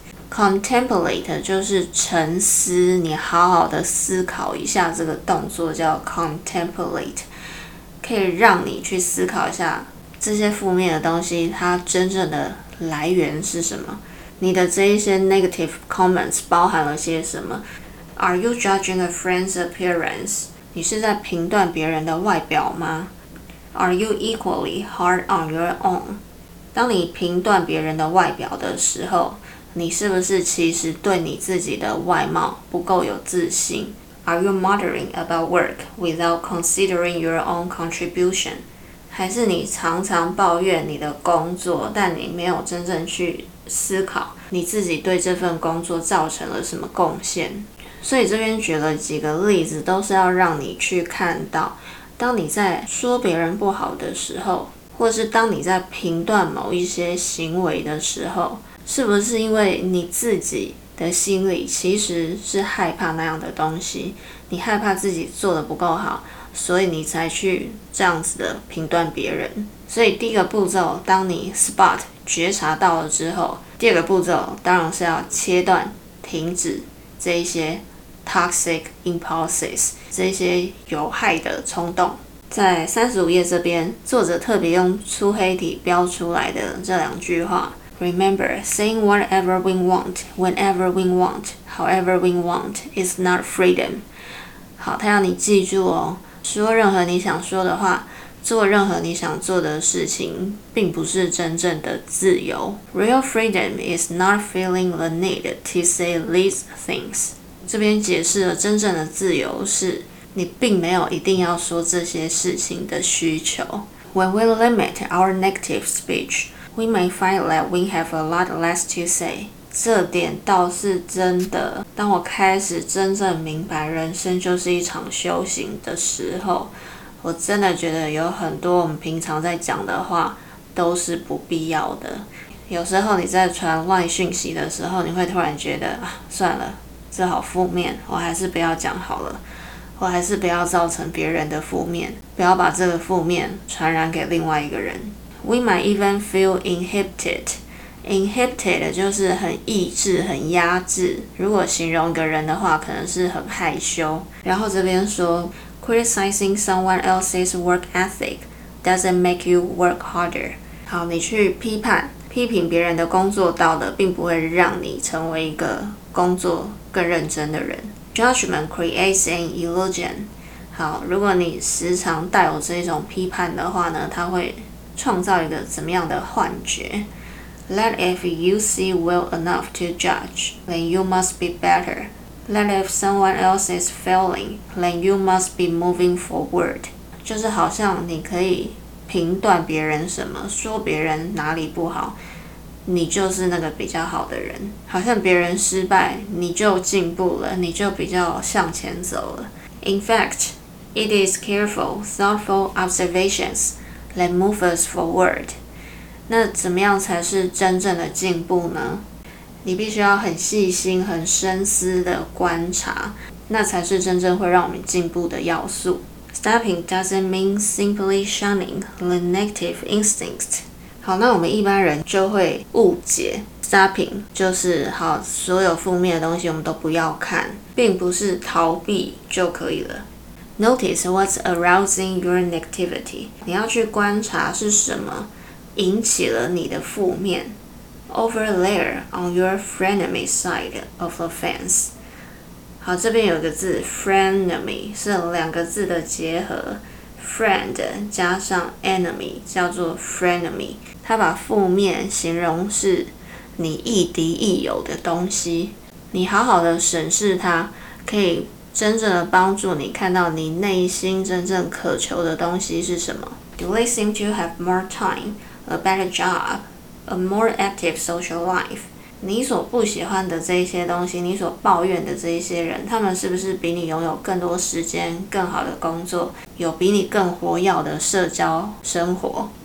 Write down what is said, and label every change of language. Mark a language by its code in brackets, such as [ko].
[zh] contemplate 就是沉思，你好好的思考一下，这个动作叫 contemplate， 可以让你去思考一下这些负面的东西它真正的来源是什么，你的这一些 [en] negative comments [zh] 包含了些什么。 [en] Are you judging a friend's appearance? [zh] 你是在评断别人的外表吗？ [en] Are you equally hard on your own? [zh] 当你评断别人的外表的时候，你是不是其实对你自己的外貌不够有自信？ [en] Are you muttering about work without considering your own contribution? [zh] 还是你常常抱怨你的工作，但你没有真正去思考你自己对这份工作造成了什么贡献？所以这边举了几个例子，都是要让你去看到，当你在说别人不好的时候，或是当你在评断某一些行为的时候，是不是因为你自己的心里其实是害怕那样的东西，你害怕自己做得不够好，所以你才去这样子的评断别人。所以第一个步骤，当你 spot 觉察到了之后，第二个步骤当然是要切断停止这一些 [en] toxic impulses， [zh] 这一些有害的冲动。在35页这边，作者特别用粗黑体标出来的这两句话， [en] Remember, saying whatever we want, whenever we want, however we want is not freedom。 [zh] 好，他要你记住哦，说任何你想说的话，做任何你想做的事情，并不是真正的自由。 [en] Real freedom is not feeling the need to say these things。 [zh] 这边解释了真正的自由是你并没有一定要说这些事情的需求。 [en] When we limit our negative speech, we may find that we have a lot less to say。 [zh] 这点倒是真的，当我开始真正明白人生就是一场修行的时候，我真的觉得有很多我们平常在讲的话都是不必要的。有时候你在传 LINE 讯息的时候，你会突然觉得算了，这好负面，我还是不要讲好了，我还是不要造成别人的负面，不要把这个负面传染给另外一个人。 [en] We might even feel inhibited。 [zh] Inhibited 就是很抑制很压制，如果形容一个人的话可能是很害羞。然后这边说， [en] Criticizing someone else's work ethic doesn't make you work harder。 [zh] 好，你去批评别人的工作道德，并不会让你成为一个工作更认真的人。 [en] Judgment creates an illusion。 [zh] 好，如果你时常带有这种批判的话呢，它会创造一个怎么样的幻觉。 [en] Let if you see well enough to judge, then you must be better. Let if someone else is failing, then you must be moving forward. [zh] 就是好像你可以评断别人什么，说别人哪里不好，你就是那个比较好的人。好像别人失败，你就进步了，你就比较向前走了。 [en] In fact, it is careful, thoughtful observations that move us forward. [zh] 那怎么样才是真正的进步呢？你必须要很细心、很深思的观察，那才是真正会让我们进步的要素。 [en] Stopping doesn't mean simply shunning the negative instinct. [zh] 好，那我们一般人就会误解 Stopping 就是好，所有负面的东西我们都不要看，并不是逃避就可以了。 [en] Notice what's arousing your negativity. [zh] 你要去观察是什么引起了你的负面 [en] over there on your frenemy side of the fence. [zh] 好，这边有个字 frenemy 是两个字的结合 friend 加上 enemy 叫做 frenemy， 它把负面形容是你亦敌亦友的东西。你好好的审视它，可以真正的帮助你看到你内心真正渴求的东西是什么。 [en] Do they seem to have more timeA better job, a more active social life. [zh] 你所不喜欢的这些东西，你所抱怨的这些人，他们是不是比你拥有更多时间、更好的工作，有比你更活跃的社交生活？